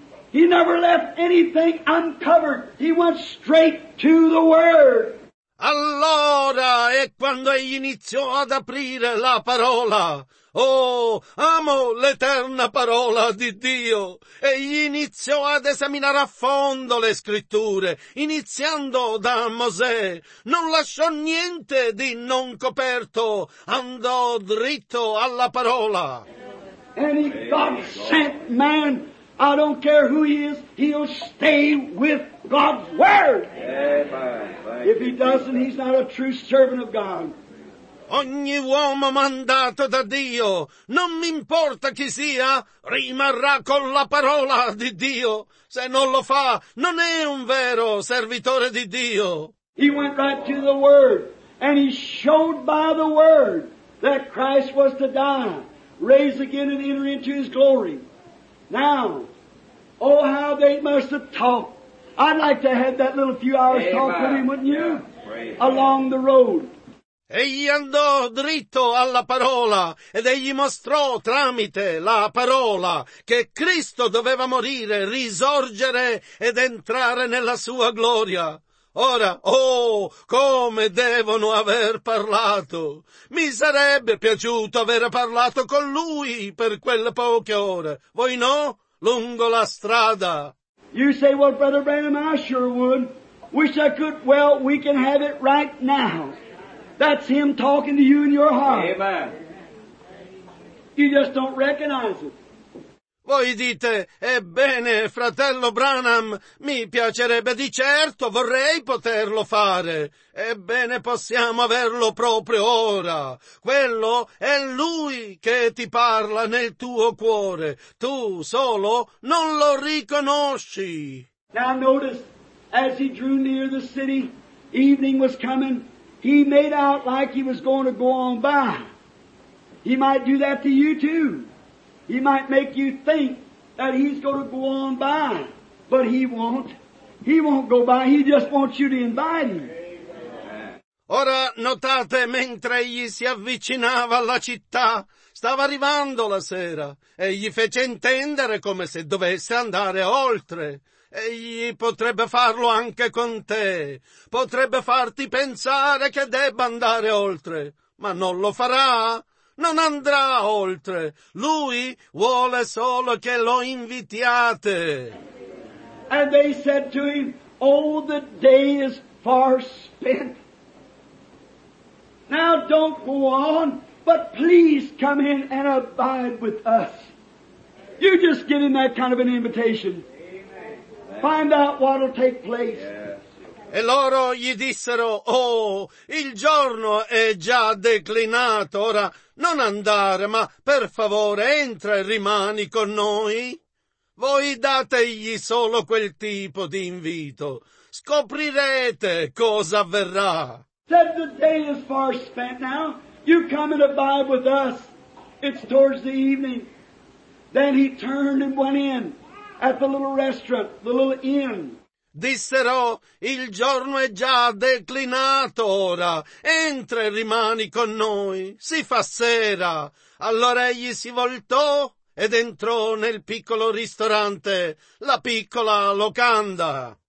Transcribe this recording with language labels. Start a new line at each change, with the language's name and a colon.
English: He never left anything uncovered. He went straight to the word.
Italian: Allora è quando egli iniziò ad aprire la parola. Oh, amo l'eterna parola di Dio. Egli iniziò ad esaminare a fondo le scritture, iniziando da Mosè. Non lasciò niente di non coperto. Andò dritto alla parola.
English: And he, God sent man, I don't care who he is, he'll stay with God's word. If he doesn't, he's not a true servant of God.
Italian: Ogni uomo mandato da Dio, non mi importa chi sia, rimarrà con la parola di Dio. Se non lo fa, non è un vero servitore di Dio.
English: He went right to the word, and he showed by the word that Christ was to die, raise again and enter into his glory. Now, oh, how they must have talked. I'd like to have that little few hours talk with him, wouldn't you? Along the road.
Italian: Egli andò dritto alla parola ed egli mostrò tramite la parola che Cristo doveva morire, risorgere ed entrare nella sua gloria. Ora, oh, come devono aver parlato! Mi sarebbe piaciuto aver parlato con lui per quelle poche ore. Voi no? Lungo la strada.
English: You say, well, Brother Branham, I sure would. Wish I could, well, we can have it right now. That's him talking to you in your heart. Amen. You just don't recognize it.
Italian: Voi dite, ebbene, fratello Branham, mi piacerebbe di certo, vorrei poterlo fare. Ebbene, possiamo averlo proprio ora. Quello è lui che ti parla nel tuo cuore. Tu solo non lo riconosci.
English: Now notice, as he drew near the city, evening was coming. He made out like he was going to go on by. He might do that to you too. He might make you think that he's going to go on by. But he won't. He won't go by. He just wants you to invite him.
Italian: Ora notate, mentre egli si avvicinava alla città, stava arrivando la sera, e gli fece intendere come se dovesse andare oltre. Egli potrebbe farlo anche con te, potrebbe farti pensare che debba andare oltre, ma non lo farà, non andrà oltre. Lui vuole solo che lo invitiate.
English: And they said to him, oh, the day is far spent. Now don't go on, but please come in and abide with us. You just give him that kind of an invitation. Find out what will take place.
Italian: E loro gli dissero, oh, il giorno è già declinato, ora non andare, ma per favore entra e rimani con noi. Voi dategli solo quel tipo di invito. scoprirete cosa avverrà.
English: Said the day is far spent now. You come and abide with us. It's towards the evening. Then he turned and went in at the little restaurant, the little inn.
Italian: Dissero, il giorno è già declinato ora, entra e rimani con noi, si fa sera. Allora egli si voltò ed entrò nel piccolo ristorante, la piccola locanda.